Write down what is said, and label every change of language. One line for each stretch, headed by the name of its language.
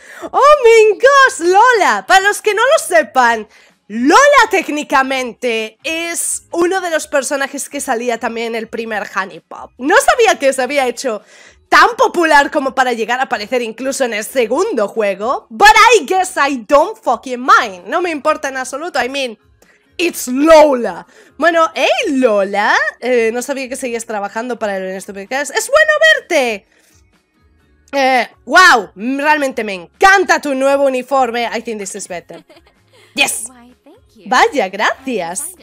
English: ¡Oh, my gosh,
Spanish: Lola! Para los que no lo sepan, Lola técnicamente es uno de los personajes que salía también en el primer Honey Pop. No sabía que se había hecho tan popular como para llegar a aparecer incluso en el segundo juego.
English: But I guess I don't fucking mind.
Spanish: No me importa en absoluto.
English: I mean, it's Lola.
Spanish: Bueno, hey Lola. No sabía que seguías trabajando para el Stupid Cast. ¡Es bueno verte! ¡Wow! Realmente me encanta tu nuevo uniforme.
English: I think this is better. ¡Yes!
Spanish: Vaya, gracias.